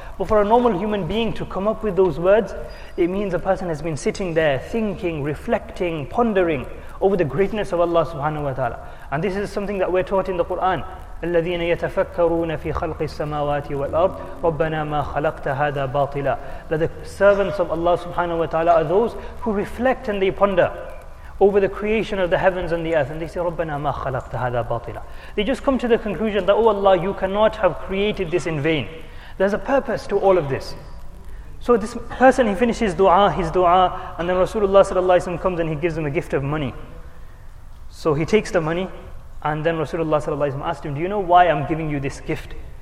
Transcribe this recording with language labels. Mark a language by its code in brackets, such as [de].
[en] But for a normal human being to come up with those words, it means a person has been sitting there thinking, reflecting, pondering over the greatness of Allah subhanahu wa ta'ala. And this is something that we're taught in the Quran. [ar] الَّذِينَ يَتَفَكَّرُونَ فِي خَلْقِ السَّمَاوَاتِ وَالْأَرْضِ رَبَّنَا مَا خَلَقْتَ هَذَا بَاطِلًا. [en] That the servants of Allah subhanahu wa ta'ala are those who reflect and they ponder over the creation of the heavens and the earth. And they say, [ar] رَبَّنَا مَا خَلَقْتَ هَذَا بَاطِلًا. [en] They just come to the conclusion that, oh Allah, you cannot have created this in vain. There's a purpose to all of this. So this person, he finishes dua, his dua, and then Rasulullah sallallahu alayhi wa sallam comes and he gives him a gift of money. So he takes the money, and then Rasulullah sallallahu alayhi wa sallam asked him, do you know why I'm giving you this gift?